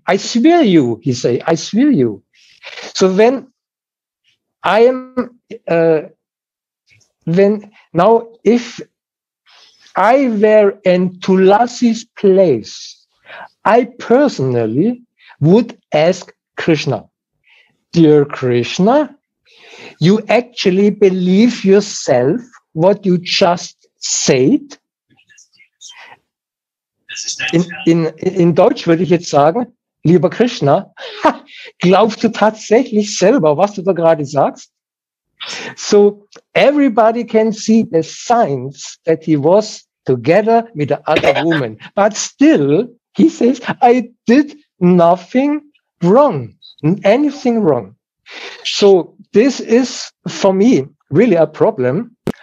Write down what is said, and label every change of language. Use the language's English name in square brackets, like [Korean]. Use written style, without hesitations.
[English] I swear you, he say, I swear you. So when I am, if I were in Tulasi's place, I personally would ask Krishna, dear Krishna, you actually believe yourself what you just said? [German] In Deutsch würde ich jetzt sagen, lieber Krishna, glaubst du tatsächlich selber, was du da gerade sagst? [English] So everybody can see the signs that he was together with the other woman. But still, he says, I did nothing wrong, anything wrong. So this is, for me, really a problem.